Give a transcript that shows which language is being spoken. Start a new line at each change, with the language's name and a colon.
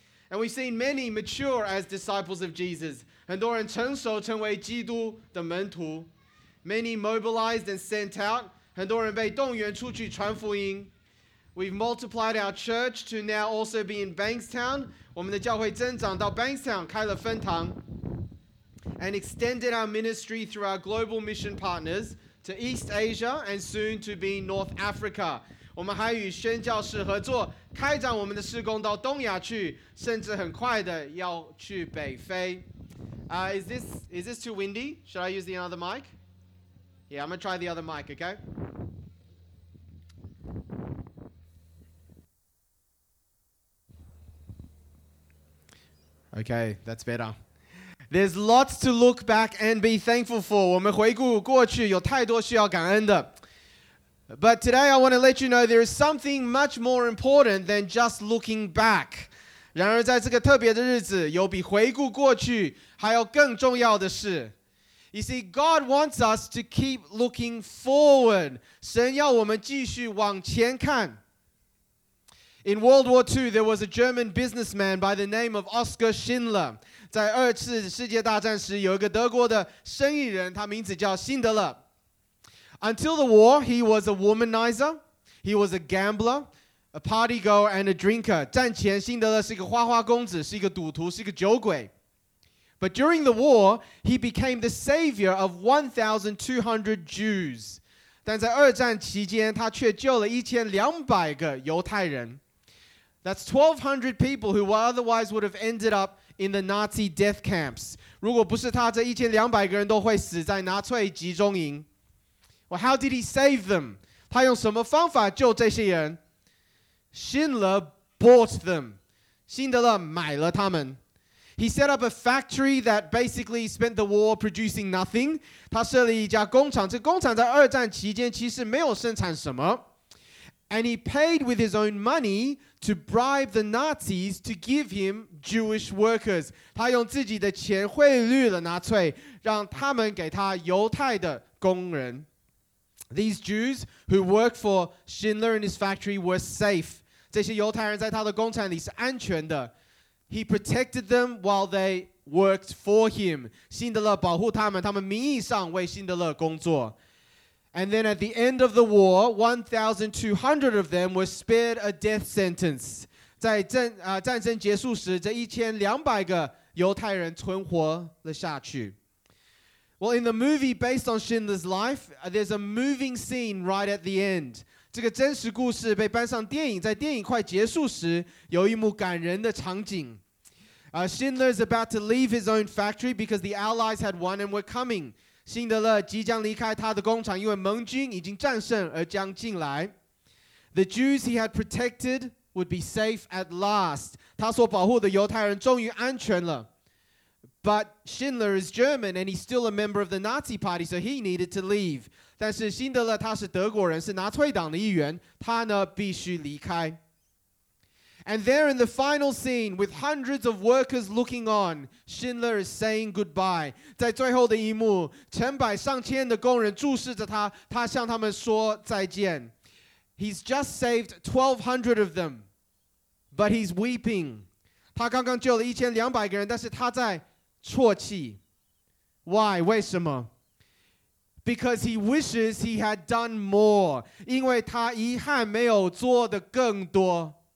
English: And we've seen many mature as disciples of Jesus.
Chinese: 很多人成熟成为基督的门徒。
English: Many mobilized and sent out.
Chinese: 很多人被动员出去传福音。
English: We've multiplied our church to now also be in Bankstown.
Chinese: 我们的教会增长到 Bankstown, 开了分堂。
English: And extended our ministry through our global mission partners to East Asia and soon to be North Africa.
Chinese: 我们还与宣教士合作，开展我们的事工到东亚去，甚至很快的要去北非。
English: Is this too windy? Should I use the other mic? Yeah, I'm gonna try the other mic. Okay. Okay, that's better. There's lots to look back and be thankful for.
Chinese: 我们回顾过去，有太多需要感恩的。
English: But today I want to let you know there is something much more important than just looking back.
Chinese: 然而在这个特别的日子，有比回顾过去还要更重要的事。
English: You see, God wants us to keep looking forward.
Chinese: 神要我们继续往前看。
English: In World War II, there was a German businessman by the name of Oskar Schindler.
Chinese: 在二次世界大战时，有一个德国的生意人，他名字叫辛德勒。
English: Until the war, he was a womanizer, he was a gambler, a partygoer, and a drinker.
Chinese: 战前，辛德勒是一个花花公子，是一个赌徒，是一个酒鬼。
English: But during the war, he became the savior of 1,200 Jews.
Chinese: 但在二战期间，他却救了1,200个犹太人。
English: That's 1,200 people who otherwise would have ended up in the Nazi death camps.
Chinese: 如果不是他，这1,200个人都会死在纳粹集中营。
English: Well, how did he save them?
Chinese: 他用什么方法救这些人?
English: Schindler bought them.
Chinese: 辛德勒买了他们。
English: He set up a factory that basically spent the war producing nothing.
Chinese: 他设立一家工厂,这工厂在二战期间其实没有生产什么。
English: And he paid with his own money to bribe the Nazis to give him Jewish workers.
Chinese: 他用自己的钱贿赂了纳粹,让他们给他犹太的工人。
English: These Jews who worked for Schindler and his factory were safe.
Chinese: 这些犹太人在他的工厂里是安全的。
English: He protected them while they worked for him.
Chinese: 辛德勒保护他们，他们名义上为辛德勒工作。
English: And then at the end of the war, 1,200 of them were spared a death sentence.
Chinese: 在战争结束时，这1,200个犹太人存活了下去。
English: Well, in the movie based on Schindler's life, there's a moving scene right at the end.
Chinese: 这个真实故事被搬上电影，在电影快结束时，有一幕感人的场景。
English: Schindler is about to leave his own factory because the Allies had won and were coming.
Chinese: 辛德勒即将离开他的工厂，因为盟军已经战胜而将进来。
English: The Jews he had protected would be safe at last.
Chinese: 他所保护的犹太人终于安全了。
English: But Schindler is German and he's still a member of the Nazi party, so he needed to leave.
Chinese: 但是辛德勒他是德国人，是纳粹党的一员，他呢必须离开。
English: And there in the final scene, with hundreds of workers looking on, Schindler is saying goodbye.
Chinese: 在最后的一幕，成百上千的工人注视着他，他向他们说再见。
English: He's just saved 1,200 of them, but he's weeping.
Chinese: 他刚刚救了1,200个人，但是他在啜泣。
English: Why?
Chinese: 为什么?
English: Because he wishes he had done more.
Chinese: 因为他遗憾没有做得更多。